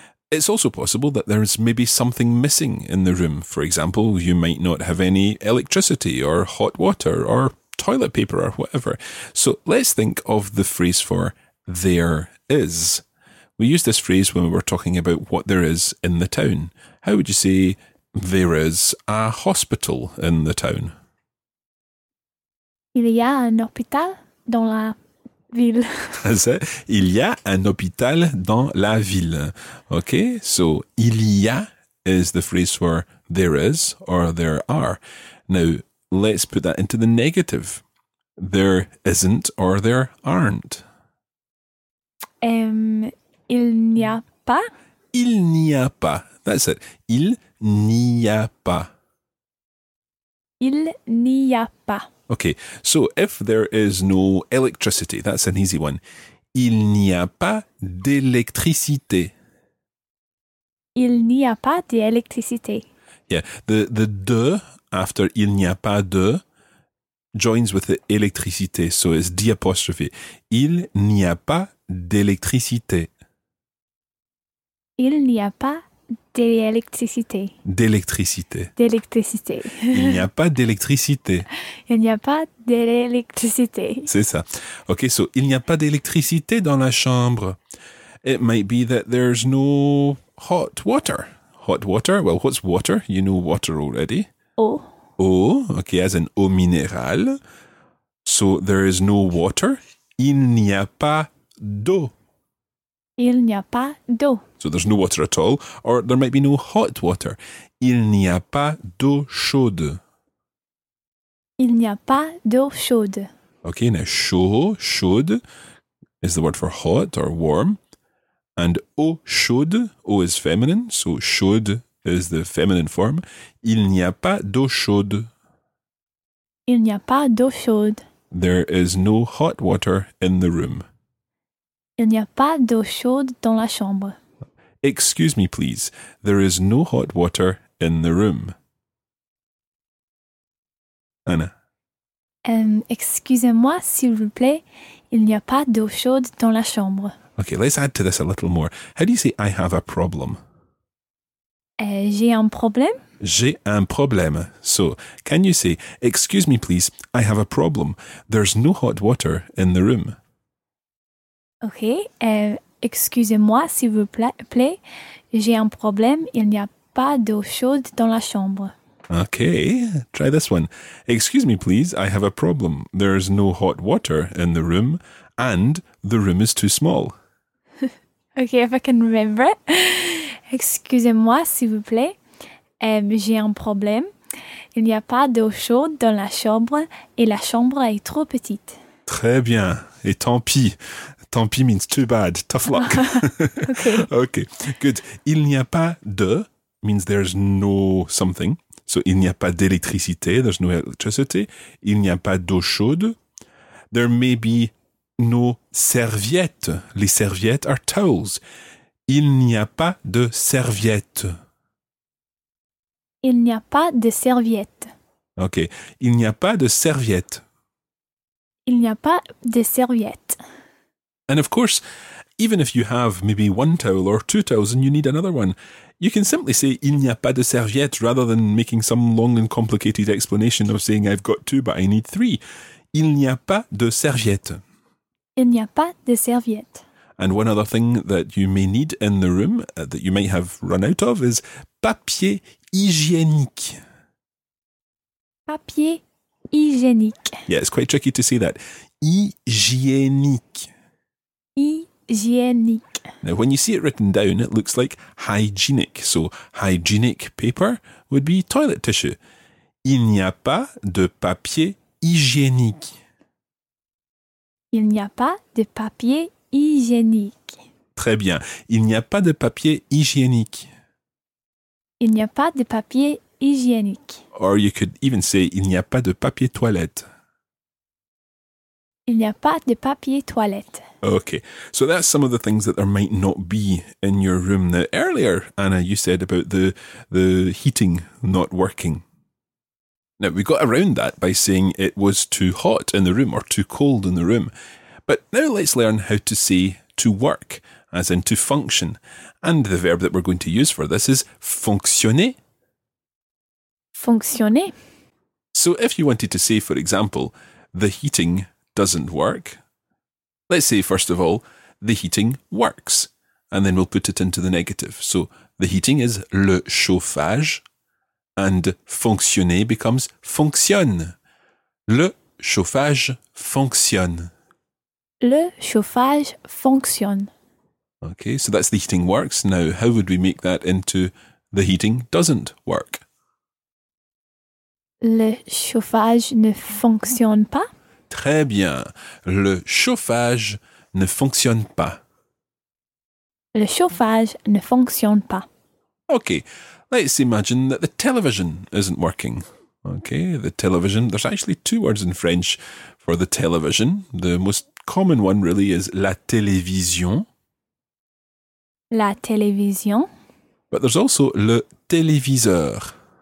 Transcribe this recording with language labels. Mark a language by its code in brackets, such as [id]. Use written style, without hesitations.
[en] It's also possible that there's maybe something missing in the room. For example, you might not have any electricity or hot water or toilet paper or whatever. So let's think of the phrase for there is. We use this phrase when we're talking about what there is in the town. How would you say there is a hospital in the town? [fr] Il y a un hôpital dans la ville. [en] That's it. [fr] Il y a un hôpital dans la ville. [en] Okay, so [fr] il y a [en] is the phrase for there is or there are. Now, let's put that into the negative. There isn't or there aren't. [fr] Il n'y a pas. Il n'y a pas. [en] That's it. [fr] Il n'y a pas. Il n'y a pas. [en] Okay, so if there is no electricity, that's an easy one. [fr] Il n'y a pas d'électricité. Il n'y a pas d'électricité. [en] Yeah, the de after [fr] il n'y a pas de [en] joins with the électricité, so it's d' apostrophe. [fr] Il n'y a pas d'électricité. Il n'y a pas d'électricité. D'électricité. D'électricité. Il n'y a pas d'électricité. Il n'y a pas d'électricité. C'est ça. Okay, so il n'y a pas d'électricité dans la chambre. [en] It might be that there's no hot water. Hot water? Well, what's water? You know water already. [fr] Eau. [en] Eau, okay, as in [fr] eau minérale. [en] So there is no water. [fr] Il n'y a pas d'eau. Il n'y a pas d'eau. [en] So there's no water at all, or there might be no hot water. [fr] Il n'y a pas d'eau chaude. Il n'y a pas d'eau chaude. [en] Okay, now chaud, chaude is the word for hot or warm. And [fr] eau chaude, [en] eau is feminine, so chaude is the feminine form. [fr] Il n'y a pas d'eau chaude. Il n'y a pas d'eau chaude. [en] There is no hot water in the room. [fr] Il n'y a pas d'eau chaude dans la chambre. [en] Excuse me, please. There is no hot water in the room. Anna. [fr] Excusez-moi, s'il vous plaît. Il n'y a pas d'eau chaude dans la chambre. [en] Okay, let's add to this a little more. How do you say I have a problem? [fr] J'ai un problème. J'ai un problème. [en] So, can you say, excuse me, please. I have a problem. There's no hot water in the room. [fr] Okay, excusez-moi, s'il vous plaît. J'ai un problème. Il n'y a pas d'eau chaude dans la chambre. [en] Okay, try this one. Excuse me, please. I have a problem. There's no hot water in the room and the room is too small. Okay, if I can remember it. [fr] Excusez-moi, s'il vous plaît. J'ai un problème. Il n'y a pas d'eau chaude dans la chambre et la chambre est trop petite. Très bien. Et tant pis. Tant pis [en] means too bad. Tough luck. Okay. Okay, good. [fr] Il n'y a pas de [en] means there's no something. [fr] So, il n'y a pas d'électricité. [en] There's no electricity. [fr] Il n'y a pas d'eau chaude. [en] There may be no serviettes. [fr] Les serviettes [en] are towels. [fr] Il n'y a pas de serviettes. Il n'y a pas de serviettes. [en] Ok. [fr] Il n'y a pas de serviettes. Il n'y a pas de serviettes. [en] And of course, even if you have maybe one towel or two towels and you need another one, you can simply say [fr] il n'y a pas de serviettes [en] rather than making some long and complicated explanation of saying I've got two but I need three. [fr] Il n'y a pas de serviettes. Il n'y a pas de serviette. [en] And one other thing that you may need in the room that you may have run out of is [fr] papier hygiénique. Papier hygiénique. [en] Yeah, it's quite tricky to say that. [fr] Hygiénique. Hygiénique. [en] Now, when you see it written down, it looks like hygienic. So, hygienic paper would be toilet tissue. [fr] Il n'y a pas de papier hygiénique. Il n'y a pas de papier hygiénique. Très bien. Il n'y a pas de papier hygiénique. Il n'y a pas de papier hygiénique. [en] Or you could even say, [fr] il n'y a pas de papier toilette. Il n'y a pas de papier toilette. [en] Okay. So that's some of the things that there might not be in your room. Now, earlier, Anna, you said about the heating not working. Now, we got around that by saying it was too hot in the room or too cold in the room. But now let's learn how to say to work, as in to function. And the verb that we're going to use for this is fonctionner. Fonctionner. So if you wanted to say, for example, the heating doesn't work. Let's say, first of all, the heating works, and then we'll put it into the negative. So the heating is [fr] le chauffage, [en] and fonctionner becomes fonctionne. [fr] Le chauffage fonctionne. Le chauffage fonctionne. [en] Okay, so that's the heating works. Now, how would we make that into the heating doesn't work? [fr] Le chauffage ne fonctionne pas. Très bien. Le chauffage ne fonctionne pas. Le chauffage ne fonctionne pas. [en] Okay, let's imagine that the television isn't working. Okay, the television, there's actually two words in French for the television. The most common one really is [fr] la télévision. La télévision. [en] But there's also [fr] le téléviseur.